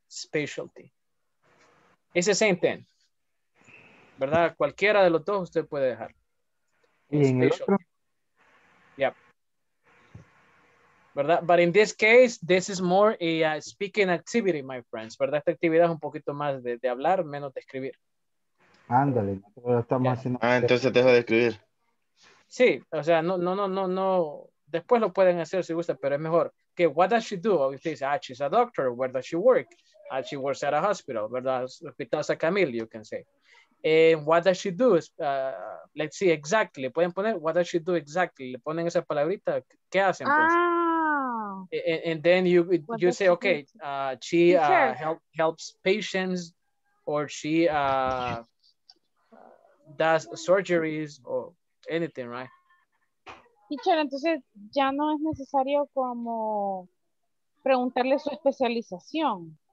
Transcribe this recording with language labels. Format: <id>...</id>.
<en>Specialty. It's the same thing.</en> <es>¿Verdad? Cualquiera de los dos usted puede dejar. ¿Y en el otro?</es> <en>Yep.</en> <es>¿Verdad?</es> <en>But in this case, this is more a speaking activity, my friends.</en> <es>¿Verdad? Esta actividad es un poquito más de hablar, menos de escribir. Ándale. Haciendo... Ah, entonces deja de escribir. Sí, o sea, no. Después lo pueden hacer si gusta, pero es mejor.</es> <en>¿Qué? What does she do? Obviously, she's, she's a doctor. Where does she work? She works at a hospital.</en> <es>¿Verdad?</es> <en>Hospital San Camille, you can say. And what does she do? Let's see, exactly.</en> <es>Pueden poner,</es> <en>what does she do exactly?</en> <es>Le ponen esa palabrita, ¿qué hacen? Ah.</es> <en>And then you say, okay, she helps patients, or she does surgeries, or anything, right?</en> <es>Teacher, entonces ya no es necesario como preguntarle su especialización.</es>